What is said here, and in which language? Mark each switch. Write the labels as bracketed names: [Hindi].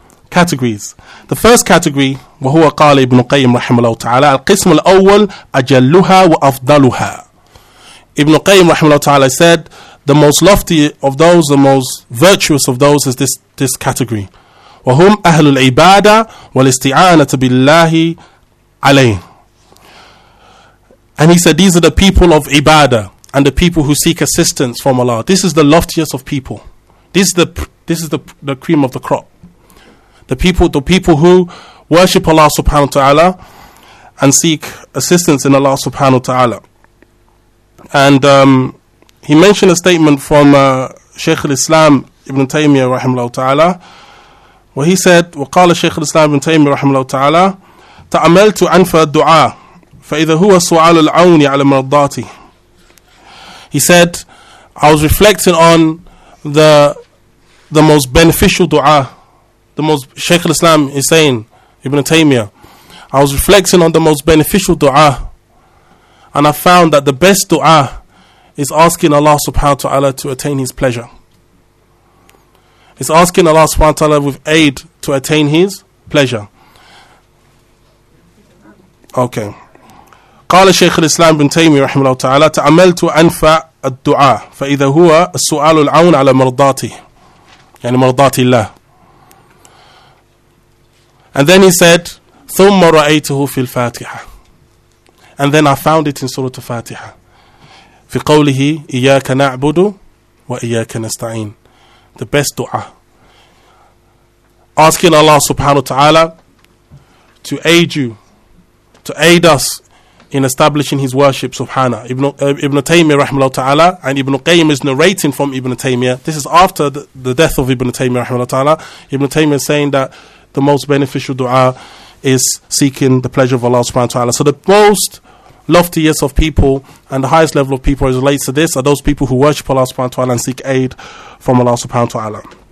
[English] The first category, [Arabic] وَهُوَ قَالَ إِبْنُ قَيِّمْ رَحِمَ اللَّهُ تَعَالَى الْقِسْمُ الْأَوَّلُ أَجَلُّهَا وَأَفْضَلُهَا. [English] Ibn Qayyim [Arabic] رَحِمَ اللَّهُ تَعَالَى [English] said, the most lofty of those, the most virtuous of those is this category. [Arabic] وَهُمْ أَهْلُ الْعِبَادَةِ وَالْإِسْتِعَانَةَ بِاللَّهِ عَلَيْهِ. [English] And he said, these are the people of ibadah and the people who seek assistance from Allah. This is the loftiest of people. This is the cream of the crop. The people who worship Allah subhanahu wa ta'ala and seek assistance in Allah subhanahu wa ta'ala. And he mentioned a statement from Shaykh al-Islam Ibn Taymiyyah rahimahullah ta'ala, where he said, [Arabic] وَقَالَ شَيْخُ الْإِسْلَامِ ابْنُ تَيْمِيَةَ رَحِمَهُ اللَّهُ تَعَالَى تَعَمَّلْتُ عَنْفَ الدُّعَاءَ فَإِذَا هُوَ سُؤَالُ الْعَوْنِ عَلَى مَرْضَاتِهِ. [English] He said, I was reflecting on the most beneficial dua, the most, Shaykh al-Islam is saying, Ibn Taymiyyah, I was reflecting on the most beneficial dua, and I found that the best dua is asking Allah subhanahu wa ta'ala to attain His pleasure. It's asking Allah subhanahu wa ta'ala with aid to attain His pleasure. Okay. [Arabic] قال شيخ الإسلام بن تيمية رحمه الله تعالى تعملت أنفع الدعاء فإذا هو السؤال العون على مرضاته يعني مرضات الله. [English] And then he said [Arabic] ثم رأيته في الفاتحة. [English] And then I found it in [Arabic] سورة الفاتحة في قوله إياك نعبد وإياك نستعين. [English] The best dua, asking Allah subhanahu wa ta'ala to aid you, to aid us in establishing His worship, Subhana. Ibn Taymiyyah rahimahullah ta'ala, and Ibn Qayyim is narrating from Ibn Taymiyyah. This is after the death of Ibn Taymiyyah rahimahullah ta'ala. Ibn Taymiyyah is saying that the most beneficial dua is seeking the pleasure of Allah subhanahu wa ta'ala. So the most loftiest of people and the highest level of people as relates to this are those people who worship Allah subhanahu wa ta'ala and seek aid from Allah subhanahu wa ta'ala.